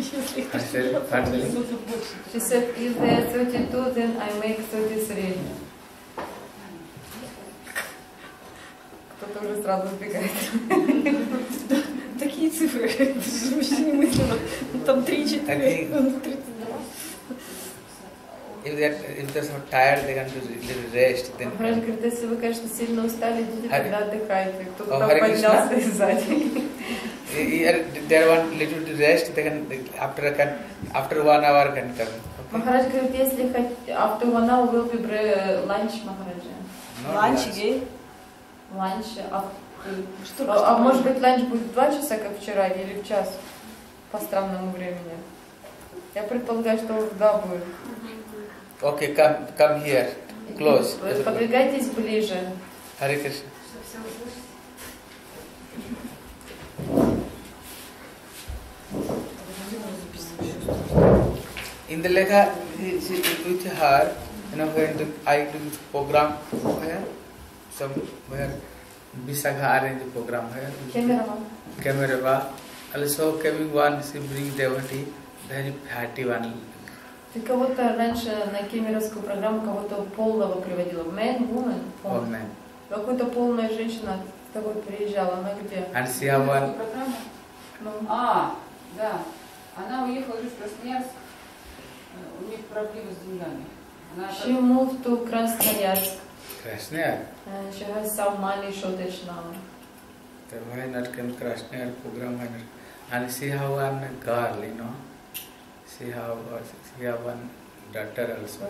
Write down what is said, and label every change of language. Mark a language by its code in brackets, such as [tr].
[en] said, if there are 32, then I make 33. [ru] Кто-то уже сразу убегает. Такие цифры, это же вообще немыслимо. Там 3-4, 32. [en] If they are tired, they can do little rest. [ru] Махарадж говорит, если вы, конечно, сильно устали, идите тогда отдыхайте. Кто-то там поднялся сзади. [en] They want little to rest. They can after 1 hour can come. Okay. Maharaj [ru] говорит, если [en] after 1 hour will be lunch, Maharaj. Lunch again? Lunch after. [ru] А может быть lunch будет 2 часа, как вчера, или в час по странному времени? Я предполагаю, что да будет. [en] Okay, come here, close. [ru] Подвигайтесь ближе. [en] Hare Krishna. In the Lekha, with her, you know, when I do this program here, somewhere, Visakha arrange the program here. Kemerava. Also, coming one, she brings devotee, very fatty one. [ru] Ты кого-то раньше на кемеровскую программу кого-то полного приводила? [en] Man, woman? Oh, man. [ru] Какая-то полная женщина с тобой приезжала, она где? [en] And she have one. [ru] Ну, а, да. Она уехала из Красноярска. У них проблемы с деньгами. [en] She moved to Krasnoyarsk. Krasnoyarsk? She has some money shortage now. Then why not come to Krasnoyarsk program? And she has one girl, you know? She has one daughter also.